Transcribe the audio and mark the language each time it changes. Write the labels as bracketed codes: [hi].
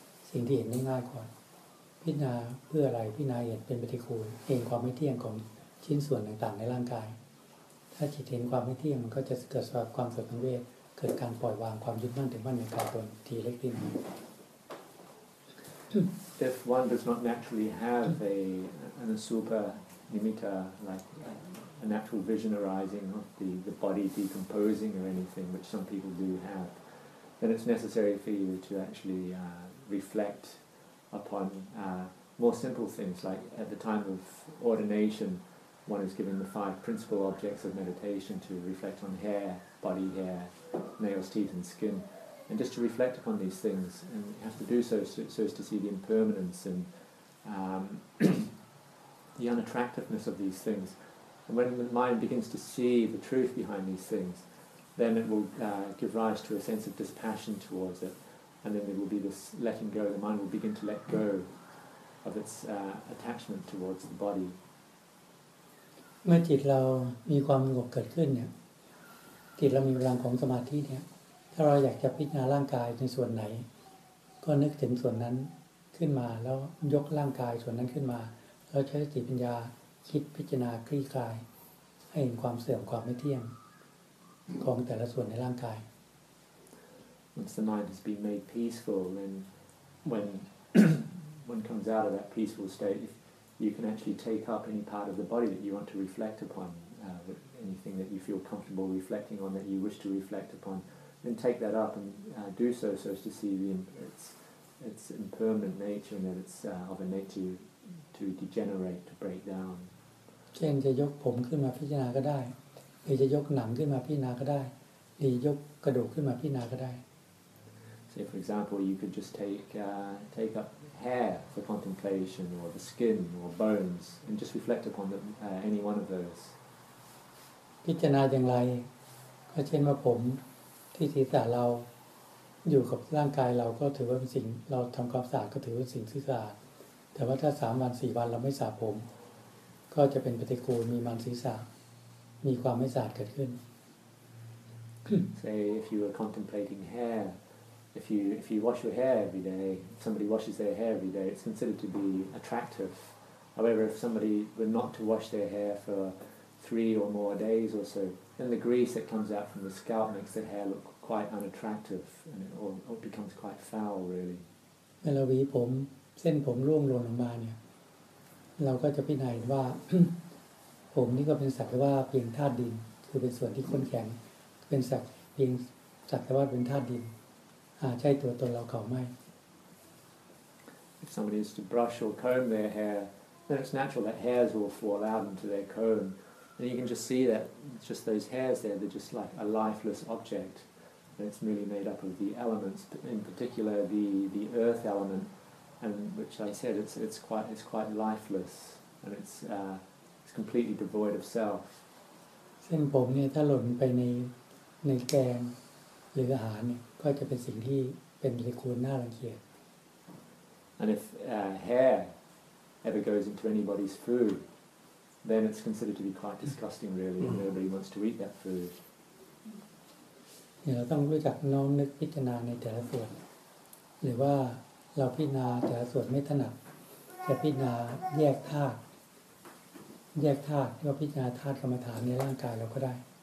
[th] สิ่งที่เห็นได้ง่ายก่อนพิจารณาเพื่ออะไรพิจารณาเห็นเป็นปฏิกูลเห็นความไม่เที่ยงของชิ้นส่วนต่างๆในร่างกายถ้าจิตเห็นความไม่เที่ยงมันก็จะเกิดความสงบเวทเกิดการปล่อยวางความยึดมั่นถึงมั่นในกายตนทีเล็กทีน้อย [en] If one does not naturally have an asupa nimitta like a natural vision arising of the body decomposing or anything which some people do have then it's necessary for you to actually reflect upon more simple things like at the time of ordination One is given the five principal objects of meditation to reflect on hair, body hair, nails, teeth, and skin, and just to reflect upon these things, and you have to do so as to see the impermanence and the unattractiveness of these things. And when the mind begins to see the truth behind these things, then it will give rise to a sense of dispassion towards it, and then there will be this letting go. The mind will begin to let go of its attachment towards the body. [th] เมื่อจิตเรามีความสงบเกิดขึ้นเนี่ยจิตเรามีพลังของสมาธิเนี่ยถ้าเราอยากจะพิจารณาร่างกายในส่วนไหนก็นึกถึงส่วนนั้นขึ้นมาแล้วยกร่างกายส่วนนั้นขึ้นมาแล้วใช้จิตปัญญาคิดพิจารณาคลี่คลายให้เห็นความเสื่อมความไม่เที่ยงของแต่ละส่วนในร่างกาย [en] Once the mind has been made peaceful then when one comes out of that peaceful stateYou can actually take up any part of the body that you want to reflect upon, anything that you feel comfortable reflecting on, that you wish to reflect upon, then take that up and do so as to see its impermanent nature and that it's of a nature to degenerate, to break down. [th] เช่นจะยกผมขึ้นมาพิจารณาก็ได้หรือจะยกหนังขึ้นมาพิจารณาก็ได้หรือยกกระดูกขึ้นมาพิจารณาก็ได้ [en] Say for example, you could just take up. Hair for contemplation, or the skin, or bones, and just reflect upon them, any one of those. [th] พิจารณาอย่างไรก็เช่นว่าผมที่ศีรษะเราอยู่กับร่างกายเราก็ถือว่าเป็นสิ่งเราทำความสะอาดก็ถือว่าสิ่งที่สะอาดแต่ว่าถ้า3วัน4วันเราไม่สระผมก็จะเป็นปฏิกูลมีมันศีรษะมีความไม่สะอาดเกิดขึ้น [en] Say if you were contemplating hairIf you wash your hair every day, if somebody washes their hair every day, it's considered to be attractive. However, if somebody were not to wash their hair for 3 or more days or so, then the grease that comes out from the scalp makes the hair look quite unattractive, and it becomes quite foul, really. [th] เวลาหวีผมเส้นผมร่วงหล่นออกมาเนี่ยเราก็จะพิจารณาว่าผมนี่ก็เป็นสักแต่ว่าเพียงธาตุดินคือเป็นส่วนที่ข้นแข็งเป็นสักเพียงสักแต่ว่าเป็นธาตุดินใช่ตัวตนเราเขาไม่ [en] If somebody is to brush or comb their hair, then it's natural that hairs will fall out into their comb. And you can just see that it's just those hairs there, they're just like a lifeless object. And it's merely made up of the elements, in particular the earth element, and which I said it's quite lifeless, and it's completely devoid of self. [th] เส้นผมเนี่ยถ้าหล่นไปในแกงหรืออาหารเนี่ยก็จะเป็นสิ่งที่เป็นปฏิกูลน่ารังเกียจ [en] And if hair ever goes into anybody's food, then it's considered to be quite disgusting, really, and nobody wants to eat that food. [th] เราต้องรู้จักน้อมนึกพิจารณาในแต่ละส่วนหรือว่าเราพิจารณาแต่ละส่วนไม่ถนัดจะพิจารณาแยกธาตุที่ว่าพิจารณาธาตุกรรมฐานในร่างกายเราก็ได้